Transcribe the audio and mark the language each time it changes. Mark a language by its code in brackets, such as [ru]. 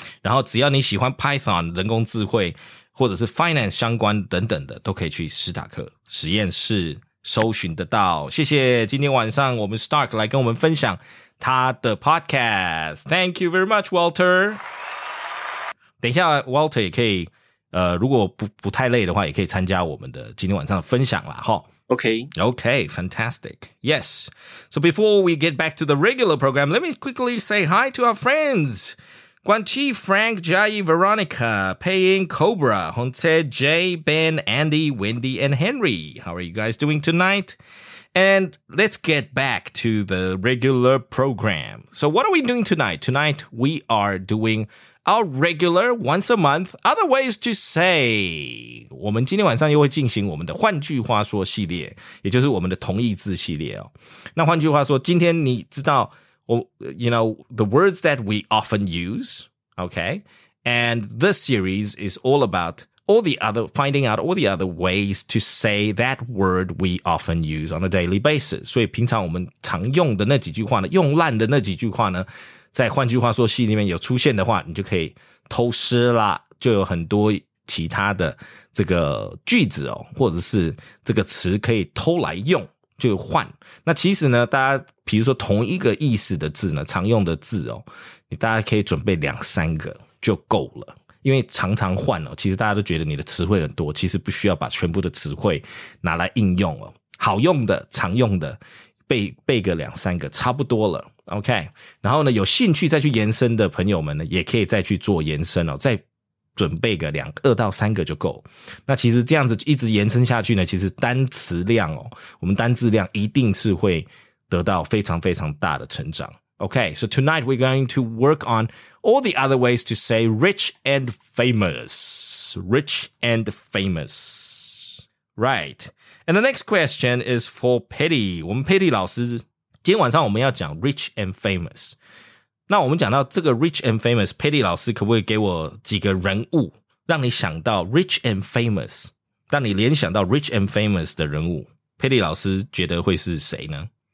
[zh] 然后只要你喜欢 Python 人工智慧或者是 finance 相关等等的，都可以去史塔克实验室搜寻得到。谢谢今天晚上我们 Stark 来跟我们分享他的 podcast。 [en] Thank you very much Walter。 [zh] 等一下 Walter 也可以如果 不太累的话，也可以参加我们的今天晚上的分享啦。 [en] Okay, fantastic. Yes. So before we get back to the regular program, let me quickly say hi to our friends. Guanqi, Frank, Jai, Veronica, Paying, Cobra, Honce, Jay, Ben, Andy, Wendy, and Henry. How are you guys doing tonight? And let's get back to the regular program. So what are we doing tonight? Tonight, we are doing... our regular once a month, other ways to say. [zh] 我们今天晚上又会进行我们的换句话说系列，也就是我们的同义字系列、哦、那换句话说，今天你知道 [en] you know, the words that we often use, okay? And this series is all about all the other, finding out all the other ways to say that word we often use on a daily basis. [zh] 所以平常我们常用的那几句话呢，用烂的那几句话呢，在换句话说戏里面有出现的话，你就可以偷师啦，就有很多其他的这个句子哦，或者是这个词可以偷来用，就换。那其实呢，大家比如说同一个意思的字呢，常用的字哦，你大家可以准备两三个就够了，因为常常换哦，其实大家都觉得你的词汇很多，其实不需要把全部的词汇拿来应用哦，好用的、常用的背个两三个差不多了。 OK， 然后呢，有兴趣再去延伸的朋友们呢，也可以再去做延伸哦，再准备个两二到三个就够。那其实这样子一直延伸下去呢，其实单词量哦，我们单字量一定是会得到非常非常大的成长。 [en] OK， so tonight we're going to work on all the other ways to say rich and famous, rich and famous, right? And the next question is for Petty. [zh] 我们 Petty 老师。今天晚上我们要讲 rich and famous， 那我们讲到这个 rich and famous， Patty 老师可不可以给我几个人物让你想到 rich and famous， 让你联想到 rich and famous 的人物， Patty 老师觉得会是谁呢？